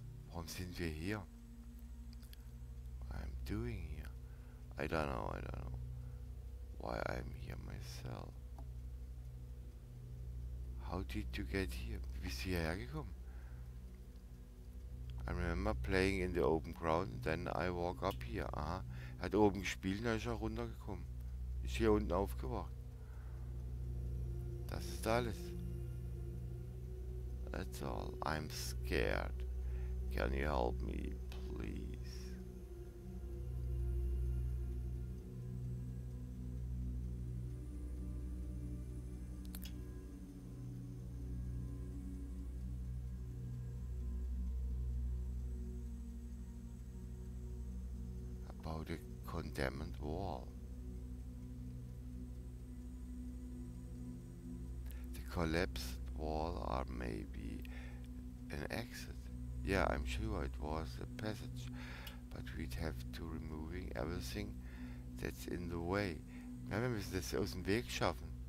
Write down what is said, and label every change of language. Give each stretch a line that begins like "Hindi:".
German: Warum sind wir hier?
English: What I'm doing here. I don't know why I'm here myself. How did you get here?
German: Wie bist du hierher gekommen?
English: I remember playing in the open ground, then I walk up here.
German: Aha, er hat oben gespielt, dann ist er runtergekommen. Ist hier unten aufgewacht. Das ist alles.
English: That's all. I'm scared. Can you help me, please? Condemned wall. The collapsed wall or maybe an exit. Yeah, I'm sure it was a passage, but we'd have to remove everything that's in the way.
German: Ja, wir müssen das aus dem Weg schaffen.